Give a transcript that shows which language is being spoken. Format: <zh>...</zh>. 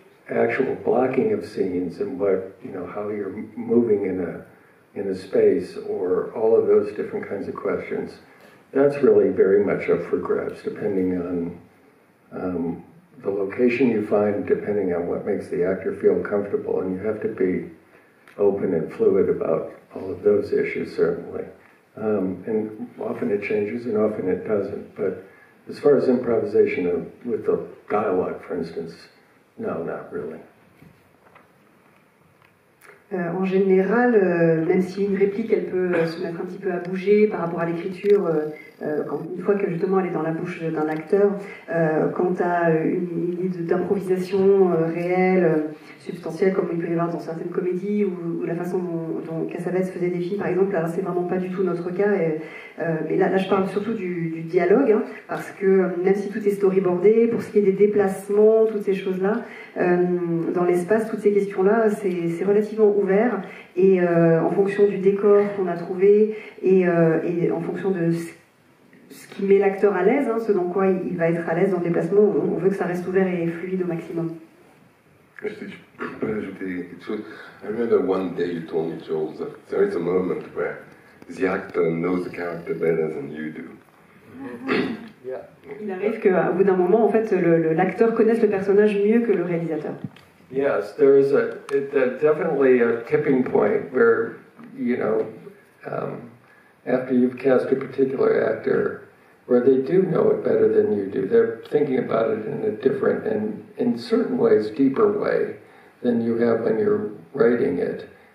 <en>actual blocking of scenes and what, you know, how you're moving in a space or all of those different kinds of questions, that's really very much up for grabs, depending on the location you find, depending on what makes the actor feel comfortable, and you have to be open and fluid about all of those issues, certainly. And often it changes and often it doesn't, but as far as improvisation with the dialogue, for instance, no, not really.</en> <fr>En général, même si une réplique, elle peut se mettre un petit peu à bouger par rapport à l'écriture, une fois que justement elle est dans la bouche d'un acteur, quant à une idée d'improvisation réelle, substantielle, comme il peut y avoir dans certaines comédies, ou la façon dont Cassavetes faisait des films, par exemple, alors c'est vraiment pas du tout notre cas. Et là, je parle surtout du dialogue, hein, parce que même si tout est storyboardé, pour ce qui est des déplacements, toutes ces choses-là, dans l'espace, toutes ces questions-là, c'est relativement ouvert. Et en fonction du décor qu'on a trouvé, et en fonction de ce qui met l'acteur à l'aise, hein, ce dans quoi il va être à l'aise dans le déplacement, on veut que ça reste ouvert et fluide au maximum. Je peux ajouter quelque chose.</fr> <en>I remember one day you told me, Joel, that there is a moment where the actor knows the character better than you do.</en> <fr>Yeah. Il arrive qu'à bout d'un moment, en fait, l'acteur connaisse le personnage mieux que le réalisateur.</fr> <en>Yes, there is definitely a tipping point where, you know, after you've cast a particular actor, where they do know it better than you do. They're thinking about it in a different and, in certain ways, deeper way than you have when you're writing it.</en>